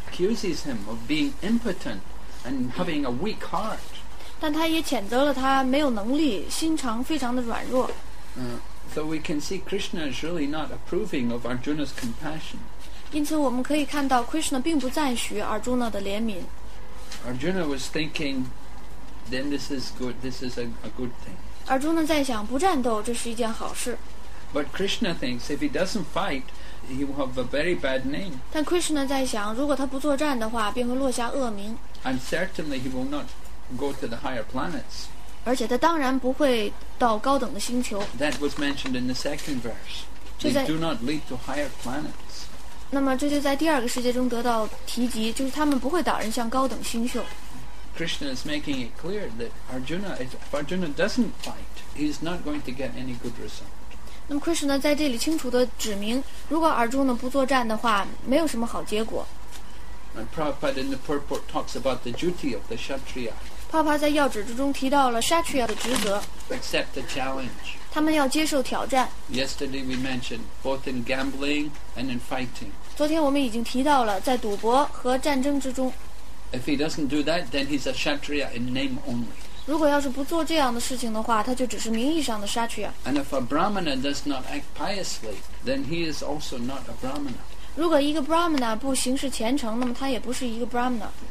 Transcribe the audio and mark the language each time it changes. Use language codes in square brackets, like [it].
[en] Accuses him of being impotent and having a weak heart. [zh] 但他也谴责了他没有能力，心肠非常的软弱。 [en] So we can see Krishna is really not approving of Arjuna's compassion. [zh] 因此我们可以看到 Krishna 并不赞许 Arjuna 的怜悯。 [en] Arjuna was thinking, then this is good, this is a good thing. [zh] Arjuna 在想不战斗这是一件好事。 [en] But Krishna thinks if he doesn't fight, he will have a very bad name. [zh] 但 Krishna 在想，如果他不作战的话，便会落下恶名。 [en] And certainly he will not go to the higher planets. [zh] 而且他当然不会到高等的星球。 [en] That was mentioned in the second verse. They do not lead to higher planets. [zh] 那么这就在第二个世界中得到提及，就是他们不会导人向高等星球。 [en] Krishna is making it clear that Arjuna, if Arjuna doesn't fight, he is not going to get any good results. [zh] 那么 Krishna 在这里清楚地指明，如果 Arjuna 不作战的话，没有什么好结果。 [en] And Prabhupada in the purport talks about the duty of the Kshatriya. [zh] Prabhupada 在要旨之中提到了 Kshatriya 的职责。 [en] Accept the challenge. [zh] 他们要接受挑战。 [en] Yesterday we mentioned both in gambling and in fighting. [zh] 昨天我们已经提到了在赌博和战争之中。 [en] If he doesn't do that, then he's a Kshatriya in name only. [zh] 如果要是不做这样的事情的话，他就只是名义上的 Kshatriya。 [en] And if a Brahmana does not act piously, then he is also not a Brahmana. [zh] 如果一个 Brahmana 不行事虔诚，那么他也不是一个 Brahmana。